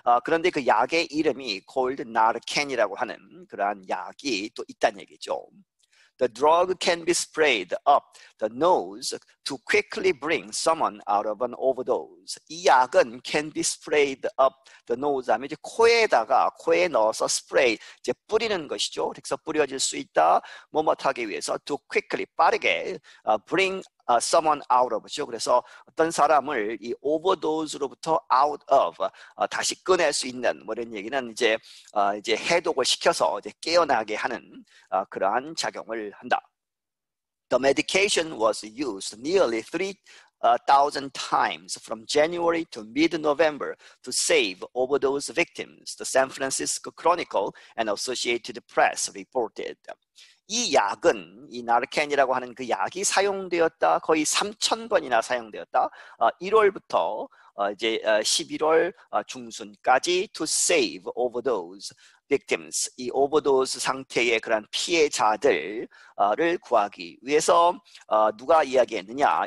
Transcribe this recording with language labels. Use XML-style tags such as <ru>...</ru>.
<ko>그런데 그 약의 이름이 콜드 나르켄이라고 하는 그러한 약이 또 있다는 얘기죠.</ko> <en>The drug can be sprayed up the nose to quickly bring someone out of an overdose.</en> <ko>이 약은</ko> <en>can be sprayed up the nose</en> <ko>하면 이제 코에다가 코에 넣어서 spray 이제 뿌리는 것이죠. 그래서 뿌려질 수 있다. 뭐뭇하기 위해서</ko> <en>to quickly</en> <ko>빠르게</ko> <en>bring someone out of</en> <ko>죠. 그래서 어떤 사람을 이 overdose로부터</ko> <en>out of</en> <ko>다시 꺼낼 수 있는 뭐 이런 얘기는 이제 해독을 시켜서 이제 깨어나게 하는 그러한 작용을 한다.</ko> <en>The medication was used nearly 3,000 times from January to mid-November to save overdose victims, the San Francisco Chronicle and Associated Press reported.</en> <ko>이 약은 이 나르켄이라고 하는 그 약이 사용되었다. 거의 3,000번이나 사용되었다. 1월부터 이제 11월 중순까지</ko> <en>to save overdose victims</en> <ko>이 오버도스 상태의 그런 피해자들을 구하기 위해서 누가 이야기했느냐?</ko>